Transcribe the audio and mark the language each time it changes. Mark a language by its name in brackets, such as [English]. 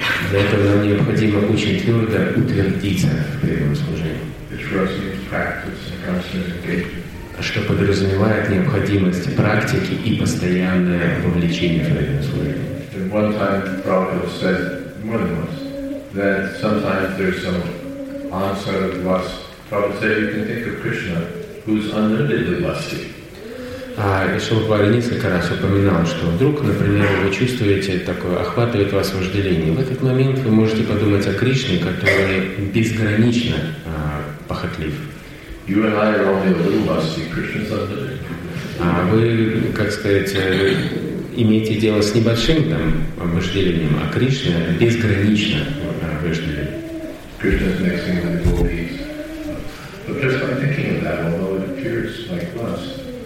[Russian] Для этого нам необходимо очень твердо утвердиться в преданном служении, что подразумевает необходимость практики и постоянное вовлечение в преданном служении. [English] One time Prabhupada said more than once that sometimes there's some answer of lust. Prabhupada said you can think of Krishna who's unlimitedly lusty. [Russian] Шилпада несколько раз упоминал, что вдруг, например, вы чувствуете такое, охватывает вас вожделение. В этот момент вы можете подумать о Кришне, который безгранично похотлив. [English] You and I are only a little lusty. Krishna's [Russian] А вы, как сказать, имеете дело с небольшим там вожделением, а Кришна безгранично вожделен. [English] Krishna's mixing with the gopis. But just by thinking of that, although it appears like lust,